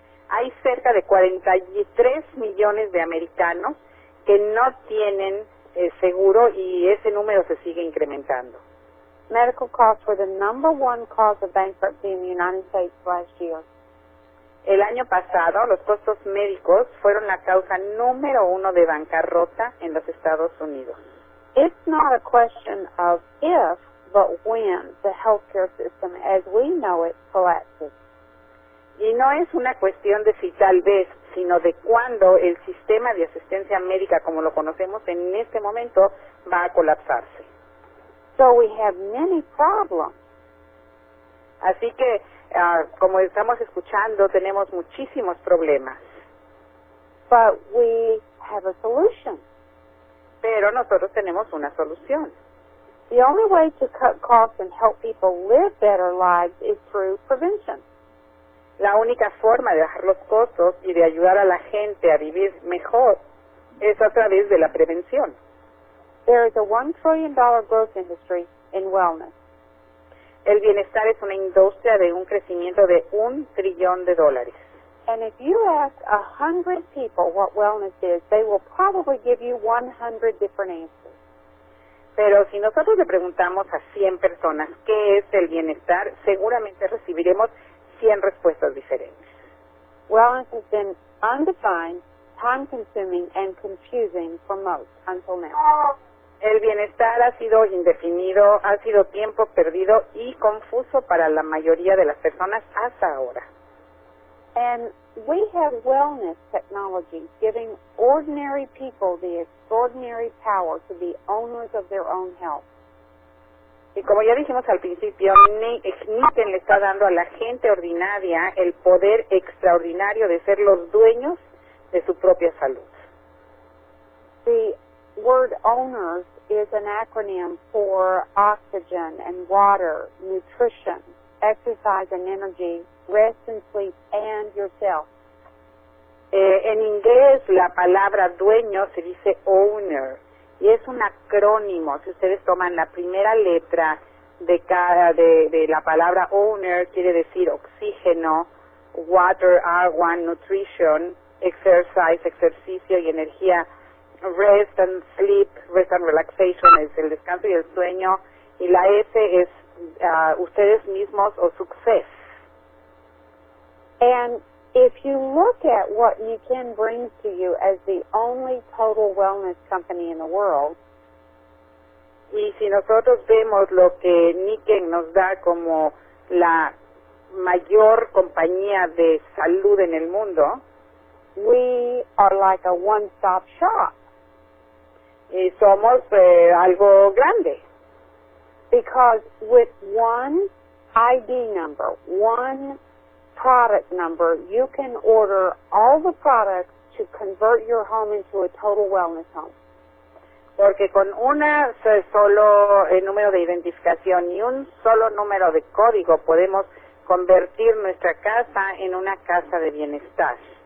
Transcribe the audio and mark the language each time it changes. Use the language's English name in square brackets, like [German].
[Spanish] Hay cerca de 43 millones de americanos que no tienen seguro y ese número se sigue incrementando. [English] Medical costs were the number one cause of bankruptcy in the United States last year. [Spanish] El año pasado, los costos médicos fueron la causa número uno de bancarrota en los Estados Unidos. [English] It's not a question of if, but when the healthcare system, as we know it, collapses. [Spanish] Y no es una cuestión de si tal vez, sino de cuándo el sistema de asistencia médica, como lo conocemos en este momento, va a colapsarse. [English] So we have many problems. [Spanish] Así que, como estamos escuchando, tenemos muchísimos problemas. [English] But we have a solution. [Spanish] Pero nosotros tenemos una solución. [English] The only way to cut costs and help people live better lives is through prevention. [Spanish] La única forma de bajar los costos y de ayudar a la gente a vivir mejor es a través de la prevención. [English] There is a $1 trillion growth industry in wellness. [Spanish] El bienestar es una industria de un crecimiento de $1 trillion. [English] And if you ask 100 people what wellness is, they will probably give you 100 different answers. [Spanish] Pero si nosotros le preguntamos a 100 personas qué es el bienestar, seguramente recibiremos 100 respuestas diferentes. [English] Wellness has been undefined, time-consuming, and confusing for most until now. [Spanish] El bienestar ha sido indefinido, ha sido tiempo perdido y confuso para la mayoría de las personas hasta ahora. [English] And we have wellness technology giving ordinary people the extraordinary power to be owners of their own health. [Spanish] Y como ya dijimos al principio, Nitten le está dando a la gente ordinaria el poder extraordinario de ser los dueños de su propia salud. [English] The word owners is an acronym for oxygen and water, nutrition, exercise and energy, rest and sleep, and yourself. [Spanish] En inglés, la palabra dueño se dice owner, y es un acrónimo. Si ustedes toman la primera letra de cada de la palabra owner, quiere decir oxígeno, water, agua, [English] nutrition, exercise, [Spanish] ejercicio y energía, [English] rest and sleep, rest and relaxation, [Spanish] es el descanso y el sueño, y la S es ustedes mismos o [English] success. And if you look at what Nitten brings to you as the only total wellness company in the world, [Spanish] y si nosotros vemos lo que Nitten nos da como la mayor compañía de salud en el mundo, [English] we are like a one-stop shop. [Spanish] Y somos algo grande. [English] Because with one ID number, one product number, you can order all the products to convert your home into a total wellness home. [Spanish] Porque con una solo número de identificación y un solo número de código podemos convertir nuestra casa en una casa de bienestar.